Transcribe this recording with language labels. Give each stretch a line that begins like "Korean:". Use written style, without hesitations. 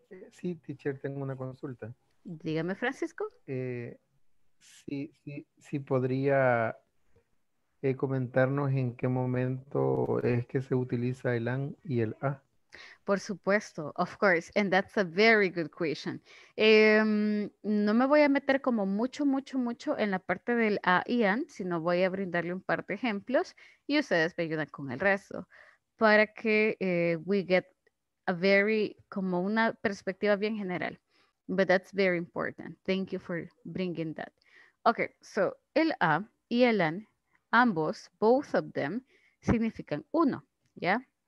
Spanish: Sí, teacher, tengo una consulta. Dígame, Francisco. Sí, podría comentarnos en qué momento es que se utiliza el an y el a. Por supuesto,
English: of course, and that's a very good question.
Spanish: No me voy a meter como mucho en la parte del a y an, sino voy a brindarle un par de ejemplos y ustedes me ayudan con el resto para que
English: we get a very,
Spanish: como una perspectiva bien general.
English: But that's very important. Thank you for bringing that. Okay, so
Spanish: el a y el an, ambos,
English: both of them,
Spanish: significan uno, ¿ya?